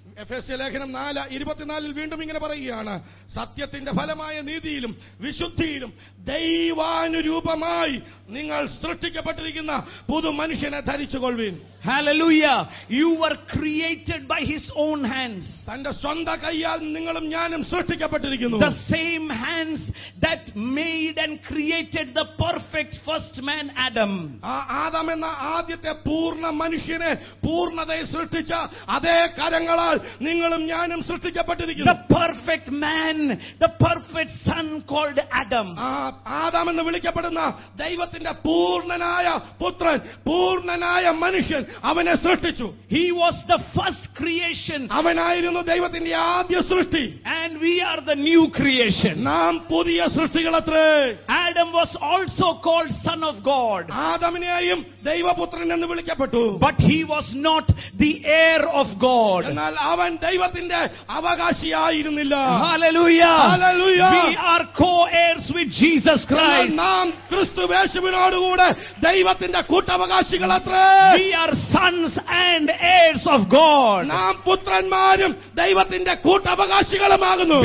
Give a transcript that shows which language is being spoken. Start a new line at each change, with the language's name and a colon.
Malayalam: എഫേസ്യ ലേഖനം 4:24 വീണ്ടും ഇങ്ങനെ പറയുകയാണ്, സത്യത്തിന്റെ ഫലമായ നീതിയിലും വിശുദ്ധിയിലും ദൈവാനുരൂപമായി നിങ്ങൾ സൃഷ്ടിക്കപ്പെട്ടിരിക്കുന്ന പുതു മനുഷ്യനെ ധരിച്ചുകൊള്ളുവിൻ.
English: Hallelujah. You were created by his own hands.
Malayalam: തന്റെ സ്വന്തം കൈയാൽ നിങ്ങളും ഞാനും സൃഷ്ടിക്കപ്പെട്ടിരിക്കുന്നു.
English: The same hands that made and created the perfect first man Adam.
Malayalam: Adam എന്ന ആദ്യത്തെ പൂർണ്ണ മനുഷ്യനെ പൂർണ്ണതയെ സൃഷ്ടിച്ച അതേ കരങ്ങളാൽ നിങ്ങളും ഞാനും സൃഷ്ടിക്കപ്പെട്ടിരിക്കുന്നു.
English: The perfect man, the perfect son called Adam.
Malayalam: Adam എന്ന് വിളിക്കപ്പെടുന്ന ദൈവത്തിന്റെ പൂർണ്ണനായ പുത്രൻ, പൂർണ്ണനായ മനുഷ്യൻ അവനെ സൃഷ്ടിച്ചു.
English: He was the first creation.
Malayalam: അവനായിരുന്നു ദൈവത്തിന്റെ ആദ്യ സൃഷ്ടി.
English: And we are the new creation.
Malayalam: നാം പുതിയ സൃഷ്ടികളത്രേ.
English: Adam was also called son of God.
Malayalam: ആദാമിനെയും ദൈവപുത്രൻ എന്ന് വിളിക്കപ്പെട്ടു.
English: But he was not the heir of God.
Malayalam: എന്നാൽ അവൻ ദൈവത്തിന്റെ അവകാശിയായിരുന്നില്ല.
English: Hallelujah. Hallelujah. We are co-heirs with Jesus Christ.
Malayalam: നാം ക്രിസ്തു യേശുവിനോടുകൂടെ ദൈവത്തിന്റെ കൂട്ടവകാശികളത്രേ.
English: We are sons and heirs of God.
Malayalam: നാം പുത്രന്മാരും ദൈവത്തിന്റെ കൂട്ടവകാശികളുമാകുന്നു.